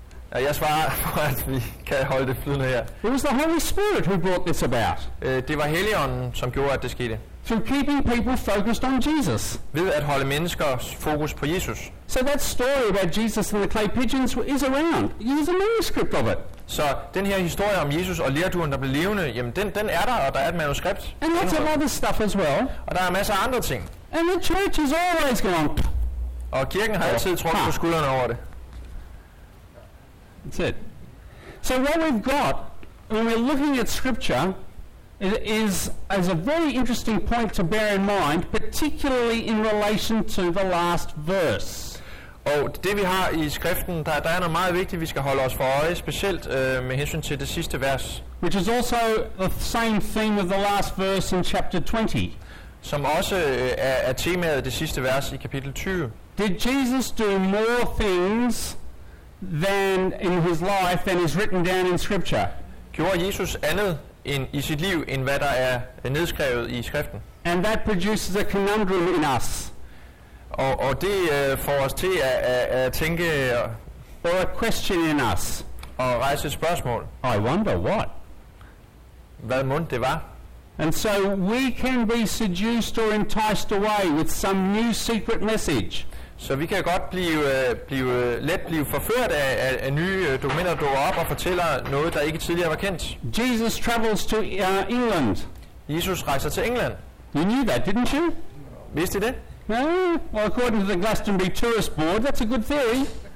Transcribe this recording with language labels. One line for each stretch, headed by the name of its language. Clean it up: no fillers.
Danish: Og jeg svarer for, at vi kan holde det flydende her.
English: It was the Holy Spirit who brought this about.
Danish: Det var Helligånden, som gjorde, at det skete.
English: Through keeping people focused on Jesus.
Danish: Ved at holde menneskers fokus på Jesus.
English: So that story about Jesus and the clay pigeons is around. There's a manuscript of it.
Danish: Så den her historie om Jesus og lerduen, der blev levende, jamen den er der, og der er et manuskript.
English: And lots of other stuff as well.
Danish: Og der er masser af andre ting.
English: And the church is always going.
Danish: Og kirken har altid trukket på skuldrene over det.
English: That's it. So what we've got when we're looking at scripture is a very interesting point to bear in mind, particularly in relation to the last verse.
Danish: Og det vi har i skriften, der er noget meget vigtigt, vi skal holde os for øje, specielt med hensyn til det sidste vers.
English: Which is also the same theme of the last verse in chapter 20.
Danish: Som også er temaet af det sidste vers i kapitel 20.
English: Did Jesus do more things than in his life than is written down in scripture?
Danish: Gjorde Jesus andet end i sit liv end hvad der er nedskrevet i skriften?
English: And that produces a conundrum in us.
Danish: Og det får os til at tænke.
English: Or a question in us.
Danish: Og rejse et spørgsmål.
English: I wonder what.
Danish: Hvad mon det var?
English: And so we can be seduced or enticed away with some new secret message.
Danish: Så vi kan godt blive forført af nye dokumenter dukker op og fortæller noget der ikke tidligere var kendt.
English: Jesus travels to England.
Danish: Jesus rejser til England.
English: You knew that, didn't you?
Danish: Vidste I det?
English: No. Well, according to the Glastonbury Tourist Board, that's a good theory.